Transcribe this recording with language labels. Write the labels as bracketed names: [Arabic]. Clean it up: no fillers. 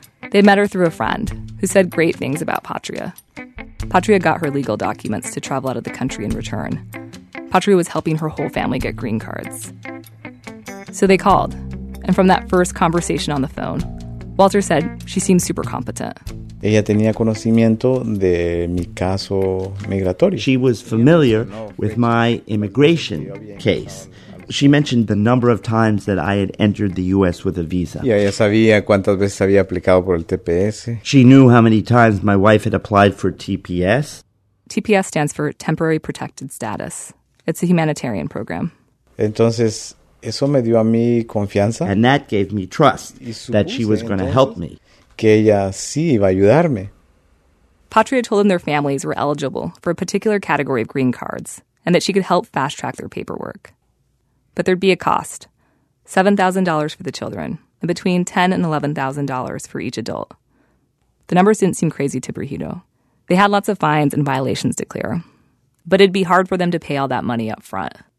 [English] They met her through a friend who said great things about Patria. Patria got her legal documents to travel out of the country in return. Patria was helping her whole family get green cards. So they called, and from that first conversation on the phone, Walter said she seemed super competent. [Spanish] Ella tenía conocimiento de mi caso migratorio. [English] She was familiar with my immigration case. She mentioned the number of times that I had entered the U.S. with a visa. [Spanish] Y ella sabía cuántas veces había aplicado por el TPS. [English] She knew how many times my wife had applied for TPS. TPS stands for Temporary Protected Status. It's a humanitarian program. [Spanish] Entonces, eso me dio a mí confianza. [English] And that gave me trust that she was going to help me. [Spanish] Que ella sí iba a ayudarme. [English] Patria told them their families were eligible for a particular category of green cards and that she could help fast-track their paperwork. But there'd be a cost, $7,000 for the children, and between $10,000 and $11,000 for each adult. The numbers didn't seem crazy to Brigido. They had lots of fines and violations to clear, but it'd be hard for them to pay all that money up front.